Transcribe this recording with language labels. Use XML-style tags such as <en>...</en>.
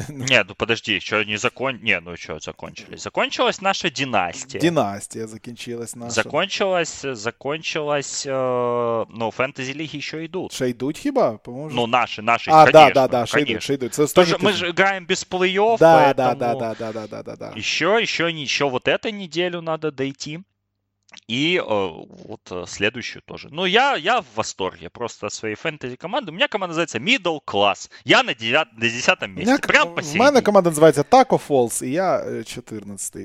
<uk>Ні, ну подожди, що не закон... Ну що, закончились? Закончилась наша династія. Династія закінчилась наша. Закончилась, ну, фентезі-ліги ще йдуть. Ще йдуть хіба? Поможе? Ну, наші, а,</uk> <ru>конечно.</ru> <uk>А, да, ще йдуть. Це тож, ми ж граємо без плей-офф,</uk> <ru>да, поэтому... Да. Ще вот эту неделю надо дойти. И вот следующую тоже. Ну, я в восторге просто от своей фэнтези-команды. У меня команда называется Middle Class. Я на 10-м месте. Прямо посередине. У меня команда называется Taco Falls, и я 14-й.</ru>